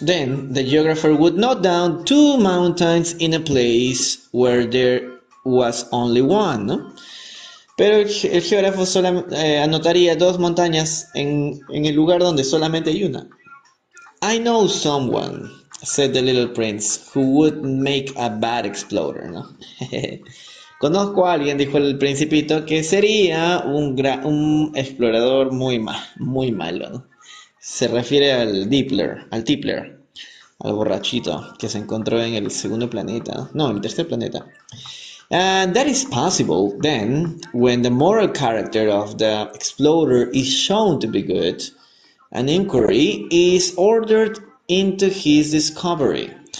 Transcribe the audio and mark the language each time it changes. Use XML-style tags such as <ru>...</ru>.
<en>Then the geographer would note down two mountains in a place where there was only one, ¿no?</en> <es>Pero el geógrafo solo anotaría dos montañas en el lugar donde solamente hay una.</es> <en>I know someone, said the little prince, who would make a bad explorer, ¿no?</en> <es>Conozco a alguien, dijo el principito, que sería un explorador muy muy malo, ¿no? Se refiere al Dippler, al borrachito que se encontró en el segundo planeta, ¿no? No, el tercer planeta.</es> <en>And that is possible, then, when the moral character of the explorer is shown to be good, an inquiry is ordered into his discovery.</en>